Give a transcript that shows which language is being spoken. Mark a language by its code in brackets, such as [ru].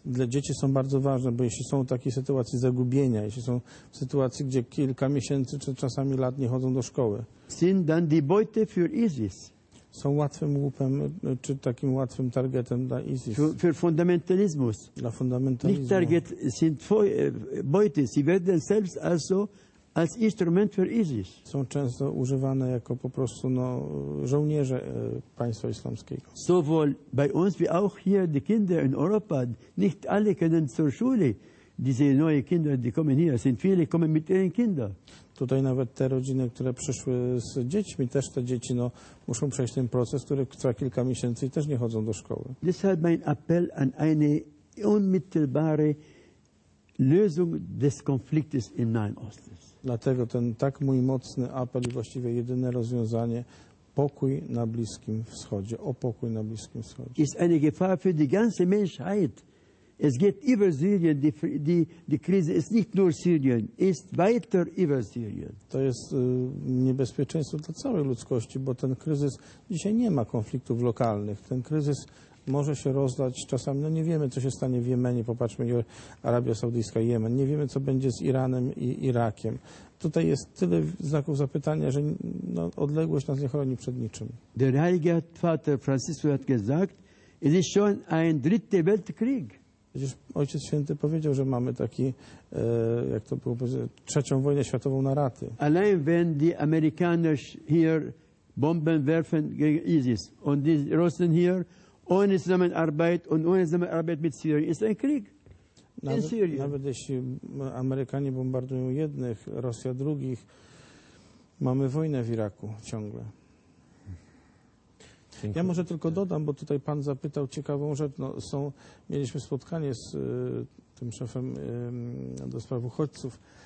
[pl] Dla dzieci są bardzo ważne, bo jeśli są w takiej sytuacji zagubienia, jeśli są w sytuacji, gdzie kilka miesięcy czy czasami lat nie chodzą do szkoły, [de] sind dann die Beute für ISIS. [pl] Są łatwym łupem, czy takim łatwym targetem dla ISIS. [de] Für Fundamentalismus. [pl] Dla fundamentalizmu. [de] Nicht Target, sind Beute, sie werden selbst also als Instrument für ISIS. [pl] Są często używane jako po prostu no, żołnierze państwa islamskiego. [de] Sowohl bei uns wie auch hier die Kinder in Europa, nicht alle können zur Schule. Diese neue Kinder, die kommen hier, sind viele, kommen mit ihren Kindern. [pl] Tutaj nawet te rodziny, które przyszły z dziećmi, też te dzieci no, muszą przejść ten proces, który trwa kilka miesięcy i też nie chodzą do szkoły. [de] Deshalb mein Appell an eine unmittelbare Lösung des Konfliktes im Nahen Osten. [pl] Dlatego ten tak mój mocny apel i właściwie jedyne rozwiązanie, pokój na Bliskim Wschodzie, o pokój na Bliskim Wschodzie. [de] Ist eine Gefahr für die ganze Menschheit. Es geht über Syrien, die Krise ist nicht nur Syrien, ist weiter über Syrien. [pl] To jest niebezpieczeństwo dla całej ludzkości, bo ten kryzys, dzisiaj nie ma konfliktów lokalnych, ten kryzys może się rozlać czasami, no nie wiemy, co się stanie w Jemenie, popatrzmy, Arabia Saudyjska, Jemen, nie wiemy, co będzie z Iranem i Irakiem. Tutaj jest tyle znaków zapytania, że no, odległość nas nie chroni przed niczym. [de] Der Heilige Vater Franciszek hat gesagt, es ist schon ein dritter Weltkrieg. [pl] Przecież Ojciec Święty powiedział, że mamy taki, jak to było powiedziane, trzecią wojnę światową na raty. [de] Allein wenn die Amerikaner hier Bomben werfen gegen ISIS und die Russen hier ohne Zusammenarbeit und ohne Zusammenarbeit mit Syrien ist ein Krieg. [pl] Nawet jeśli Amerykanie bombardują jednych, Rosja drugich, mamy wojnę w Iraku ciągle. Dziękuję. Ja może tylko dodam, bo tutaj pan zapytał ciekawą rzecz. No, mieliśmy spotkanie z tym szefem do spraw uchodźców.